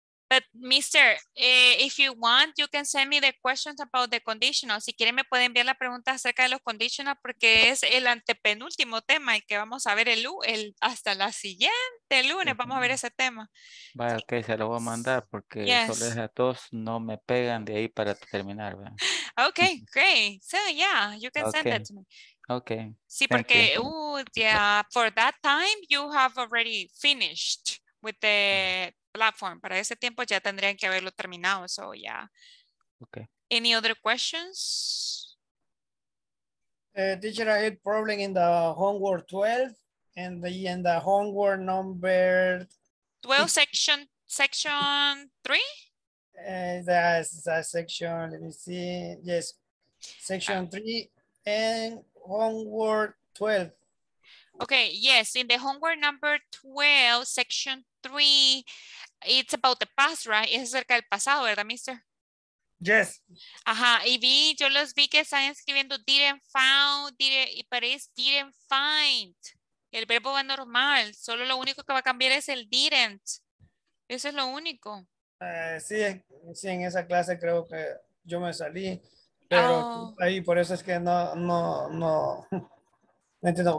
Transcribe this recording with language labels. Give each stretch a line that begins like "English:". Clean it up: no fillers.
English: But mister, if you want, you can send me the questions about the conditional.
Spanish: Si quieren, me pueden enviar la pregunta acerca de los conditional porque es el antepenúltimo tema y que vamos a ver el hasta la siguiente lunes. Vamos a ver ese tema. Vale, ok, se lo voy a mandar porque yes. Solo es a todos, no me pegan de ahí para terminar. ¿Verdad?
English: Ok, great. So, yeah, you can send that to me. Ok.
Spanish: Sí, porque,
English: yeah, for that time, you have already finished with the platform.
Spanish: Para ese tiempo ya tendrían que haberlo terminado.
English: So, yeah. Okay. Any other questions? Teacher, I had problem in the homework 12 and the homework number 12 section 3. That's section, let me see. Yes, section 3 and homework 12. Okay, yes, in the homework number 12, section 3, it's about the past, right?
Spanish: Es acerca del pasado, ¿verdad, mister?
English: Yes.
Spanish: Ajá, y vi, yo los vi que están escribiendo
English: didn't found,
Spanish: pero es
English: didn't find.
Spanish: El verbo va normal, solo lo único que va a cambiar es el didn't. Eso es lo único. Sí, en esa clase creo que yo me salí, pero ahí por eso es que no entiendo.